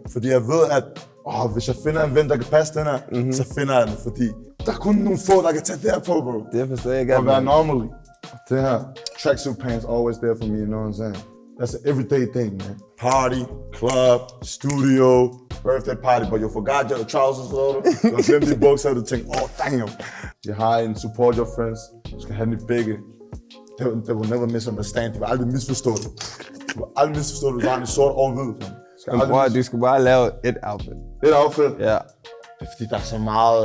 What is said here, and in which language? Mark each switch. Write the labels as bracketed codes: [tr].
[da] Fordi jeg ved, at hvis jeg finder en ven, der kan passe den her, så finder jeg den. Fordi der er kun nogle få, der kan tage det her på, bro. Det forstår jeg godt. Og være normally. Det her, [en] tracksuit pants always there for me, you know what I'm saying? That's an everyday thing, man. Party, club, studio, birthday party, but you forgot your trousers, bro. [da] Du har glemt dine bukser, og du tænkte, [en] oh damn. You hide and support your friends. [da] Du skal have dem begge. [en] They will never misunderstand. [da] De vil aldrig misforstå det. De vil aldrig misforstå det, hvis du har en sort og hvid. Du skal bare lave et outfit. Et outfit? Ja. Det er fordi, der er så meget